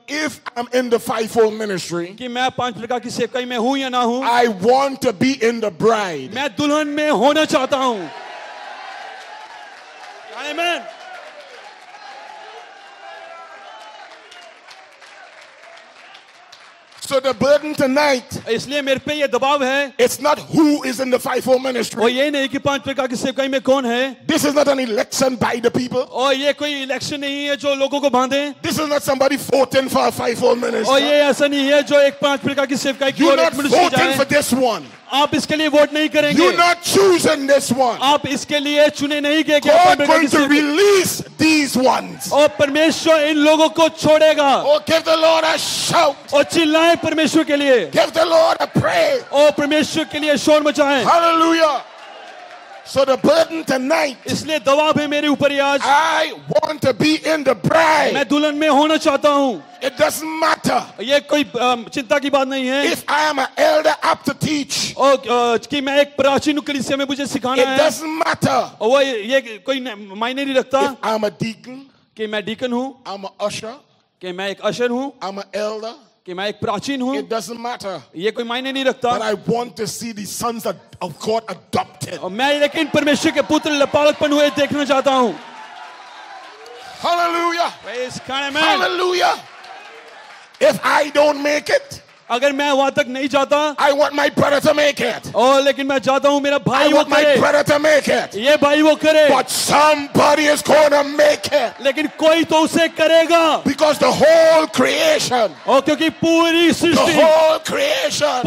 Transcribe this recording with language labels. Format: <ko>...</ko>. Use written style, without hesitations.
<en>if I'm in the fivefold ministry</en> <hi>कि मैं पांच प्रकार की सेवकाई में हूं या ना हूं</hi> <en>I want to be in the bride</en> <hi>मैं दुल्हन में होना चाहता हूं Amen.</hi> <en>So the burden tonight.</en> <hi>इसलिए मेरे पे ये दबाव है.</hi> <en>It's not who is in the fivefold ministry.</en> <hi>और ये नहीं कि पांच प्रकार की सेवकाई में कौन है.</hi> <en>This is not an election by the people.</en> <hi>और ये कोई इलेक्शन नहीं है जो लोगों को बांधे.</hi> <en>This is not somebody voting for a fivefold ministry.</en> <hi>और ये ऐसा नहीं है जो एक पांच प्रकार की सेवकाई की ओर मनुष्य जाए.</hi> <en>You're not voting for this one.</en> <hi>आप इसके लिए वोट नहीं करेंगे</hi> <en>You're not choosing this one.</en> <hi>आप इसके लिए चुने नहीं गए</hi> <en>क्या God going to release these ones.</en> <hi>और परमेश्वर इन लोगों को छोड़ेगा</hi> <en>Oh, give the Lord a shout.</en> <hi>और चिल्लाए परमेश्वर के लिए</hi> <en>Give the Lord a praise.</en> <hi>और परमेश्वर के लिए शोर मचाएं</hi> <en>Hallelujah. So the burden tonight.</en> <hi>इसलिए दबाव है मेरे ऊपर आज</hi> <en>I want to be in the bride.</en> <hi>मैं दुल्हन में होना चाहता हूँ</hi> <en>It doesn't matter.</en> <hi>ये कोई चिंता की बात नहीं है</hi> <en>If I am an elder up to teach.</en> <hi>और कि मैं एक प्राचीन कलीसिया में मुझे सिखाना है</hi> <en>It doesn't matter.</en> <hi>और वो ये कोई मायने नहीं रखता</hi> <en>If I am a deacon.</en> <hi>कि मैं डीकन हूँ</hi> <en>I am a usher.</en> <hi>कि मैं एक अशर हूँ</hi> <en>I am an elder.</en> <hi>कि मैं एक प्राचीन हूँ</hi> <en>It doesn't matter.</en> <hi>ये कोई मायने नहीं रखता</hi> <en>But I want to see the sons of God adopted.</en> <hi>और मैं लेकिन परमेश्वर के पुत्र लपालकपन हुए देखना चाहता हूँ</hi> <en>Hallelujah. Praise God, amen. Hallelujah. If I don't make it,</en> <hi>अगर मैं वहां तक नहीं जाता</hi> <en>I want my brother to make it</en> <hi>और लेकिन मैं चाहता हूं मेरा भाई वो करे</hi> <en>my brother to make it</en> <hi>ये भाई वो करे</hi> <en>but somebody is gonna make it</en> <hi>लेकिन कोई तो उसे करेगा</hi> <en>because the whole creation</en> <hi>और क्योंकि पूरी सृष्टि</hi> <en>the whole creation</en>